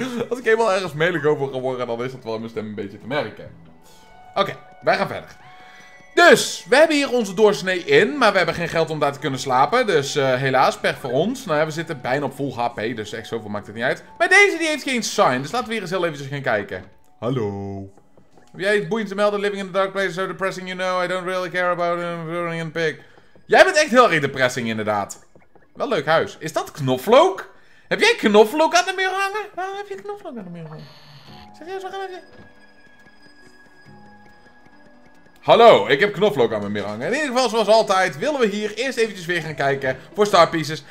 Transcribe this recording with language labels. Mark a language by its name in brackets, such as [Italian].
[Dutch] Als ik helemaal ergens melig over geworden, dan is dat wel in mijn stem een beetje te merken. Oké, wij gaan verder. Dus, we hebben hier onze doorsnee in, maar we hebben geen geld om daar te kunnen slapen. Dus helaas, pech voor ons. Nou ja, we zitten bijna op vol HP, dus echt zoveel maakt het niet uit. Maar deze die heeft geen sign, dus laten we hier eens heel eventjes gaan kijken. Hallo. Heb jij iets boeiend te melden? [English] Living in the dark place is so depressing, you know. I don't really care about running in a pig. [Dutch] Jij bent echt heel erg depressing, inderdaad. Wel leuk huis. Is dat knoflook? Heb jij knoflook aan de muur hangen? Waarom heb je knoflook aan de muur hangen? Serieus, waar heb je... Hallo, ik heb knoflook aan mijn muur hangen. In ieder geval, zoals altijd, willen we hier eerst eventjes weer gaan kijken voor Star Pieces.